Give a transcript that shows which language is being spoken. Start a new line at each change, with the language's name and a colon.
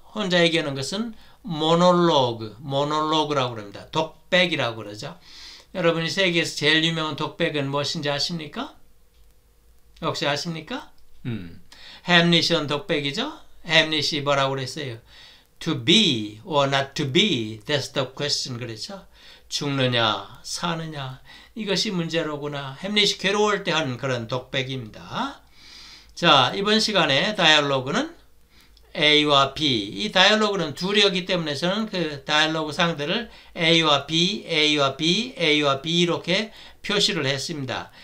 Korean: 혼자 얘기하는 것은 모노로그라고 그럽니다. 독백이라고 그러죠. 여러분이 세계에서 제일 유명한 독백은 무엇인지 아십니까? 혹시 아십니까? 햄릿은 독백이죠. 햄릿이 뭐라고 그랬어요?
English: To be or not to be, that's the question,
Korean: 그렇죠? 죽느냐, 사느냐, 이것이 문제로구나. 햄릿이 괴로울 때 하는 그런 독백입니다. 자, 이번 시간에 다이얼로그는 A와 B. 이 다이얼로그는 둘이었기 때문에 저는 그 다이얼로그 상대를 A와 B, A와 B, A와 B 이렇게 표시를 했습니다.